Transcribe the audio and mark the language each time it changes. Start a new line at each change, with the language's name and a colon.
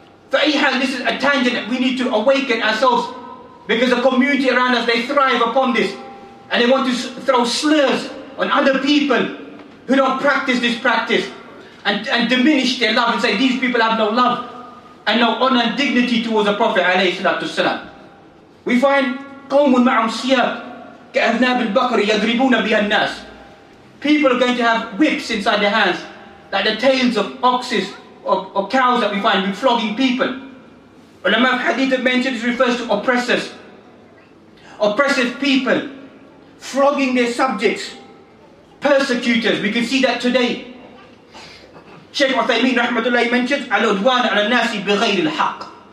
English: فَأَيْحَا, this is a tangent that we need to awaken ourselves, because the community around us, they thrive upon this, and they want to throw slurs on other people who don't practice this practice and diminish their love and say these people have no love and no honor and dignity towards the Prophet عليه الصلاة والسلام. We find
Arabic: قَوْمٌ مَعُمْ سِيَابٌ كَأَذْنَابِ الْبَقْرِ يَضْرِبُونَ بِهَا النَّاسِ.
English: People are going to have whips inside their hands like the tails of oxes or cows that we find with flogging people. Ulama hadith have mentioned this refers to oppressors. Oppressive people flogging their subjects. Persecutors, we can see that today. Shaykh Uthaymeen rahmatullahi mentions,
Arabic: al-udwan al-nasi bighayri al-haq.